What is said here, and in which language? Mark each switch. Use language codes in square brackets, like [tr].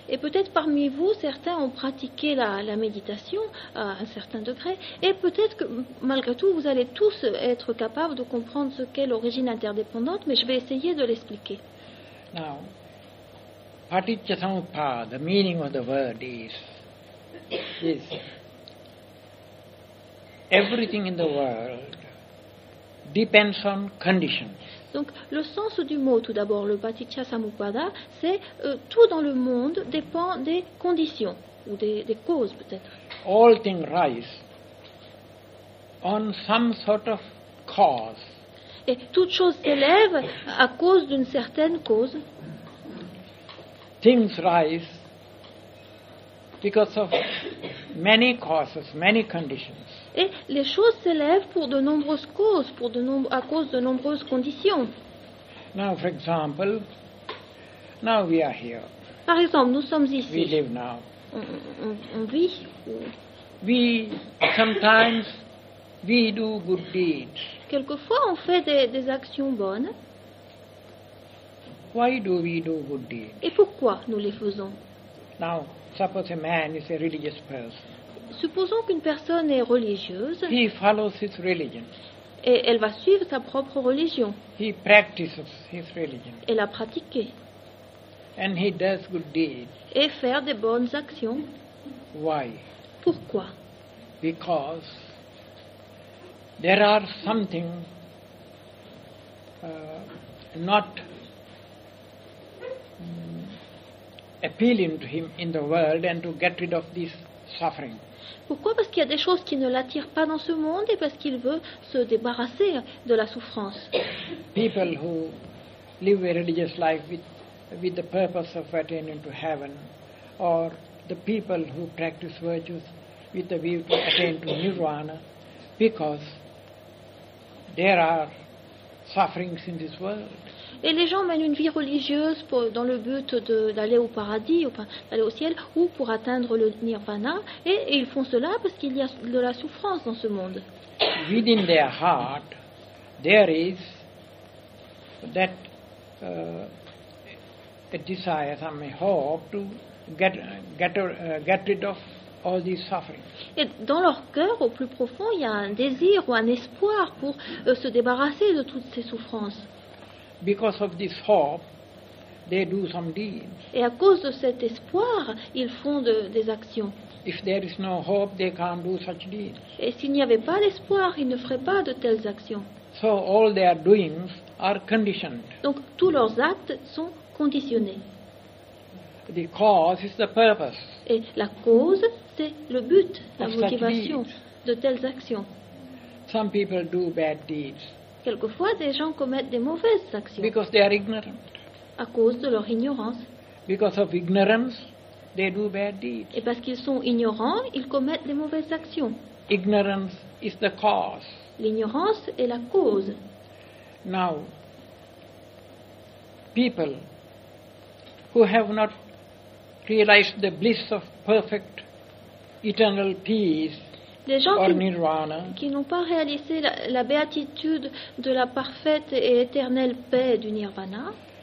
[fr] Et peut-être parmi vous, certains ont pratiqué la méditation à un certain degré, et peut-être que malgré tout, vous allez tous être capables de comprendre ce qu'est l'origine interdépendante, mais je vais essayer de l'expliquer. [en] Now, Paticchasamuppada, the meaning of the word is everything in the world depends on conditions. [fr] Donc, le sens du mot, tout d'abord, le Paticchasamuppada, c'est tout dans le monde dépend des conditions, ou des causes, peut-être. [en] All things rise on some sort of cause. [fr] Et toute chose s'élève à cause d'une certaine cause. [en] Things rise because of many causes, many conditions. [fr] Et les choses s'élèvent pour de nombreuses causes, à cause de nombreuses conditions. [en] Now, for example, now we are here. [fr] Par exemple, nous sommes ici. [en] We live now. [fr] On vit. [en] We sometimes we do good deeds. [fr] Quelquefois, on fait des actions bonnes. [en] Why do we do good deeds? [fr] Et pourquoi nous les faisons? [en] Now, suppose a man is a religious person. [fr] Supposons qu'une personne est religieuse. [en] He follows his religion. [fr] Et elle va suivre sa propre religion. [en] He practices his religion. [fr] Et la pratiquer. [en] And he does good deeds. [fr] Et faire des bonnes actions. [en] Why? [fr] Pourquoi? [en] Because there are something not appealing to him in the world and to get rid of this suffering. [fr] Pourquoi? Parce qu'il y a des choses qui ne l'attirent pas dans ce monde et parce qu'il veut se débarrasser de la souffrance. [en] People who live a religious life with the purpose of attaining to heaven, or the people who practice virtues with the view to attain to nirvana, because there are sufferings in this world. [fr] Et les gens mènent une vie religieuse pour, dans le but de, d'aller au paradis, ou d'aller au ciel, ou pour atteindre le nirvana, et ils font cela parce qu'il y a de la souffrance dans ce monde. [en] Within their heart, there is that a desire, some hope to get rid of all these sufferings. [fr] Et dans leur cœur, au plus profond, il y a un désir ou un espoir pour se débarrasser de toutes ces souffrances. [en] Because of this hope, they do some deeds. [fr] Et à cause de cet espoir, ils font des actions. [en] If there is no hope, they can't do such deeds. [fr] Et s'il n'y avait pas d'espoir, ils ne feraient pas de telles actions. [en] So all their doings are conditioned. [fr] Donc tous leurs actes sont conditionnés. [en] The cause is the purpose. [fr] Et la cause, c'est le but, la motivation de telles actions. [en] Some people do bad deeds. [fr] Quelquefois, des gens commettent des mauvaises actions. [en] Because they are ignorant. [fr] À cause de leur ignorance. [en] Because of ignorance, they do bad deeds. [fr] Et parce qu'ils sont ignorants, ils commettent des mauvaises actions. [en] Ignorance is the cause. [fr] L'ignorance est la cause. [en] Now, people who have not realized the bliss of perfect eternal peace. [fr] Des gens [en] or nirvana, [fr] qui n'ont pas réalisé la béatitude de la parfaite et éternelle paix du nirvana.